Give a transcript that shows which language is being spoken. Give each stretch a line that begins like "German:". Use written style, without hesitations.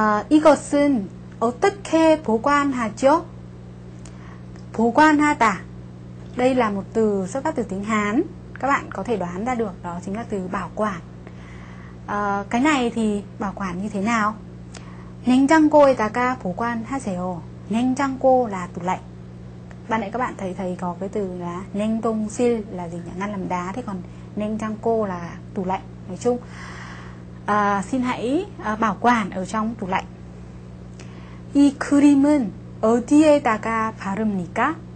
Korean: 이것은 어떻게 보관하죠? 보관하다.
Vietnamese: Đây là một từ xuất phát từ tiếng Hán. Các bạn có thể đoán ra được, đó chính là từ bảo quản. Cái này thì bảo quản như thế nào?
Korean: 냉장고에다가 보관하세요.
Vietnamese: 냉장고 là tủ lạnh. Ban nãy các bạn thấy có cái từ là 냉동실 là gì nhỉ? Ngăn làm đá. Thế còn 냉장고 là tủ lạnh. Nói chung xin hãy bảo quản ở trong tủ lạnh.
Korean: 이 크림은 어디에다가 바릅니까?